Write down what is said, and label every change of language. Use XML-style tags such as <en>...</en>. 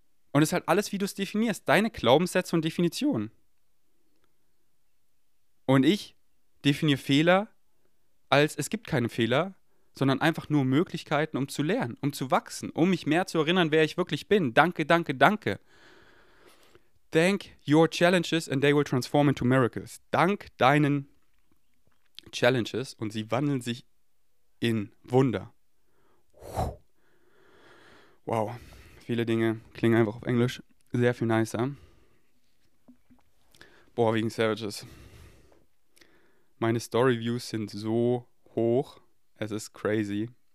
<de>Und es ist halt alles, wie du es definierst. Deine Glaubenssätze und Definitionen. Und ich definiere Fehler als, es gibt keine Fehler, sondern einfach nur Möglichkeiten, um zu lernen, um zu wachsen, um mich mehr zu erinnern, wer ich wirklich bin. Danke, danke, danke.</de> <en>Thank your challenges and they will transform into miracles.</en> <de>Dank deinen Challenges und sie wandeln sich in Wunder. Wow, viele Dinge klingen einfach auf Englisch sehr viel nicer. Boah, wegen Savages. Meine Story-Views sind so hoch. Es ist crazy.</de>